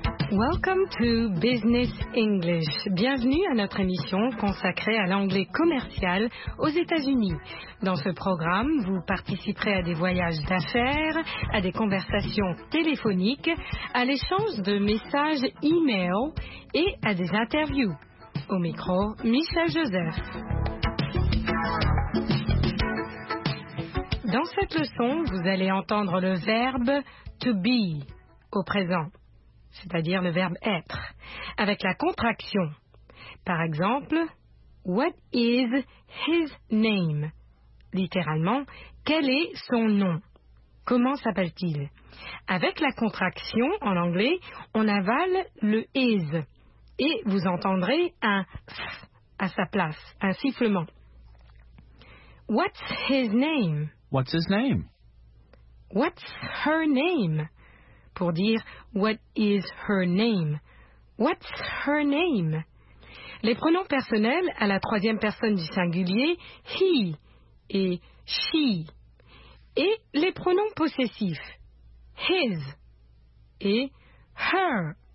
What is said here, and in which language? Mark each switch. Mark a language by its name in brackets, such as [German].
[English] Welcome to Business English. [French] Bienvenue à notre émission consacrée à l'anglais commercial aux États-Unis. Dans ce programme, vous participerez à des voyages d'affaires, à des conversations téléphoniques, à l'échange de messages e-mail et à des interviews. Au micro, Michel Joseph. Dans cette leçon, vous allez entendre le verbe to be au présent, c'est-à-dire le verbe être, avec la contraction. Par exemple, [English] what is his name? [French] Littéralement, quel est son nom? Comment s'appelle-t-il? Avec la contraction, en anglais, on avale le is et vous entendrez un th à sa place, un sifflement. [English] What's his name? What's his name? What's her name? [French] Pour dire [English] what is her name? What's her name? [French] Les pronoms personnels à la troisième personne du singulier, he et she. Et les pronoms possessifs, his et her.